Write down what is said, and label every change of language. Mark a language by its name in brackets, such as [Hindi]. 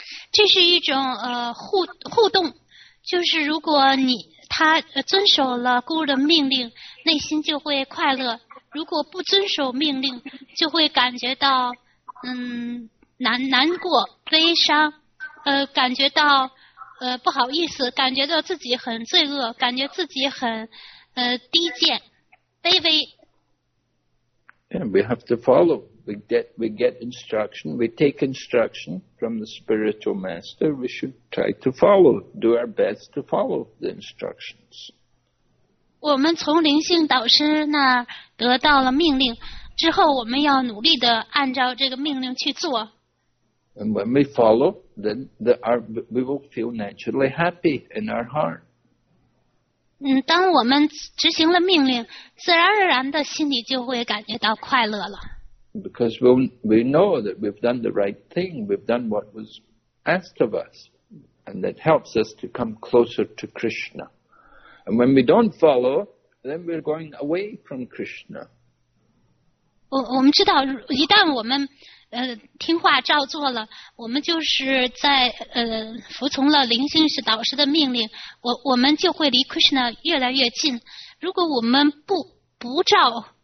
[Chinese] 这是一种互动，就是如果他遵守了咕噜的命令，内心就会快乐；如果不遵守命令，就会感觉到难过、悲伤，感觉到不好意思，感觉到自己很罪恶，感觉自己很低贱、卑微。 [English] And we have to follow. We get instruction, we take instruction from the spiritual master, we should try to follow, do our best to follow the instructions. [Chinese] 我们从灵性导师那得到了命令，之后我们要努力地按照这个命令去做。 [English] And when we follow, then we will feel naturally happy in our heart. [Chinese] 当我们执行了命令，自然而然的心里就会感觉到快乐了。 [English] Because we know that we've done the right thing, we've done what was asked of us, and that helps us to come closer to Krishna. And when we don't follow, then we're going away from Krishna. [Chinese] 我们知道，一旦我们听话照做了，我们就是在服从了灵性师导师的命令，我们就会离 Krishna 越来越近。如果我们不照